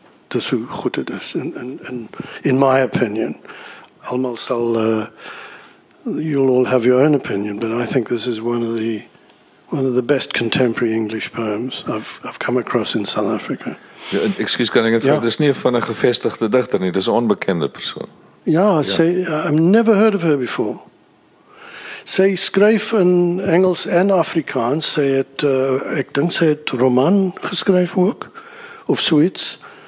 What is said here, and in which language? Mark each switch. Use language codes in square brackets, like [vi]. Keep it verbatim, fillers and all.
[af] Dis hoe goed het is, in, in, in, [en] in my opinion. [af] Almal sal, [en] uh, you'll all have your own opinion, but I think this is one of the One of the best contemporary English poems I've I've come across in South Africa. [af] Ja, excuse, kan ek net ja. Dis nie van 'n gevestigde digter nie, dis 'n onbekende persoon. Ja, ja. Sy [en] I've never heard of her before. [af] Sy skryf in Engels en Afrikaans, sy het uh, ek dink sy het roman geskryf ook of so iets.